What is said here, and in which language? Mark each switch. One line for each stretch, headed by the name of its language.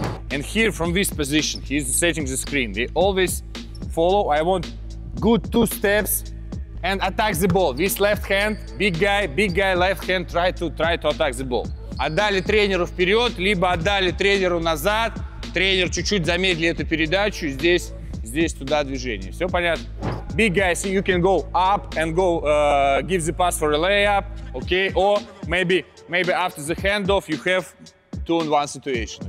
English: And here from this position, he's setting the screen. We always follow, I want good two steps. And attack the ball. This left hand, big guy, left hand, try to attack the ball.
Russian: Отдали тренеру вперед, либо отдали тренеру назад. Тренер чуть-чуть замедли эту передачу. Здесь туда движение. Все понятно?
English: Big guy, see, you can go up and go give the pass for a layup. Okay, or maybe after the handoff you have 2-on-1 situation.